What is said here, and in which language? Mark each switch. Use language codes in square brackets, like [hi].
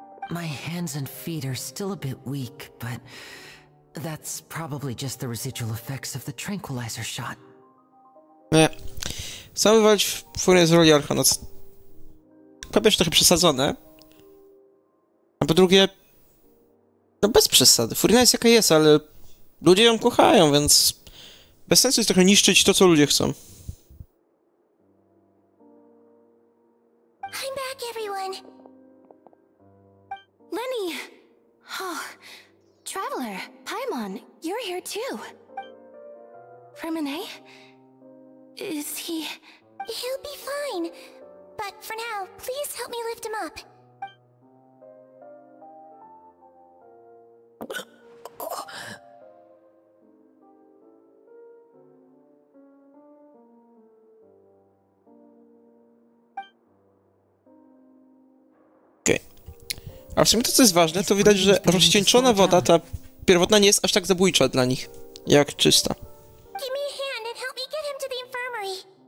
[en] My hands and feet are still a bit weak, but... That's probably just the residual effects of the tranquilizer shot. [pl] Nie. Sam wywalić furię z roli Archonoc. Po pierwsze trochę przesadzone. A po drugie... No bez przesady. Furina jest jaka jest, ale... Ludzie ją kochają, więc... Bez sensu jest trochę niszczyć to, co ludzie chcą. [en] I'm back, everyone. Linny! Oh, Traveler, Paimon, you're here too. Fremenet? Is he... He'll be fine. But for now, please help me lift him up. [pl] Okej. A w sumie to, co jest ważne, to widać, że rozcieńczona woda, ta pierwotna, nie jest aż tak zabójcza dla nich, jak czysta. [en] Give me a hand and help me get him to the infirmary.